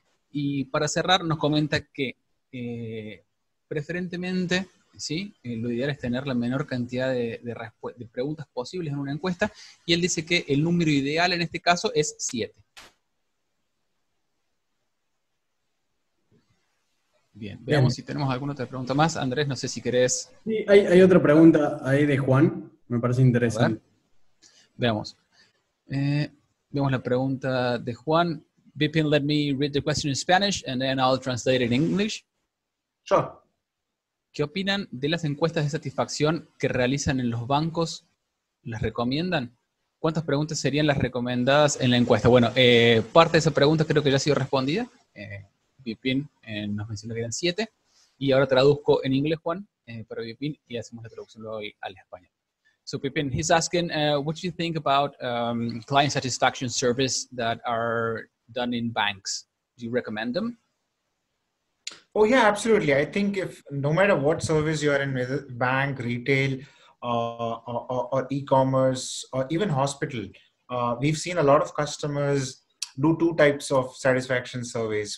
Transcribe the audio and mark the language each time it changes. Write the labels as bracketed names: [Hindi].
[Spanish] Y para cerrar, nos comenta que preferentemente, ¿sí?, lo ideal es tener la menor cantidad de preguntas posibles en una encuesta, y él dice que el número ideal en este caso es 7. Bien, veamos si tenemos alguna otra pregunta más. Andrés, no sé si querés... Sí, hay otra pregunta ahí de Juan, me parece interesante. Veamos. Vemos la pregunta de Juan. [English] Bipin, let me read the question in Spanish and then I'll translate it in English. Sure. [Spanish] ¿Qué opinan de las encuestas de satisfacción que realizan en los bancos? ¿Las recomiendan? ¿Cuántas preguntas serían las recomendadas en la encuesta? Bueno, parte de esa pregunta creo que ya ha sido respondida. Bipin nos mencionó que eran 7. Y ahora traduzco en inglés, Juan, para Bipin, y hacemos la traducción luego al español. [English] So Bipin, he's asking, what do you think about client satisfaction surveys that are done in banks? Do you recommend them? Oh yeah, absolutely. I think if no matter what service you are in, whether bank, retail, or e-commerce, or even hospital, we've seen a lot of customers do two types of satisfaction surveys.